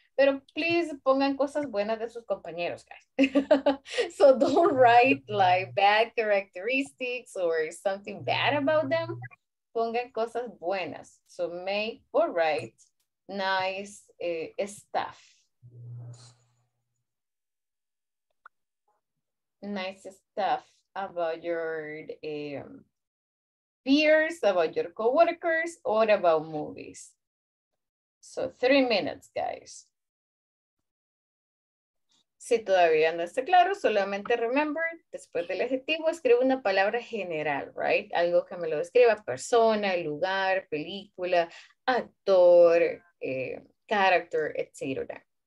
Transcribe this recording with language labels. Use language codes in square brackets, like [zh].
[es] Pero [en] please [es] pongan cosas buenas de sus compañeros, [en] guys. So don't write like bad characteristics or something bad about them. [es] Pongan cosas buenas. [en] So make or write nice stuff. Nice stuff about your peers, about your coworkers, or about movies. So 3 minutes, guys. [es] Si todavía no está claro, solamente [en] remember, [es] después del adjetivo, escribe una palabra general, right? Algo que me lo describa, persona, lugar, película, actor, character, etc.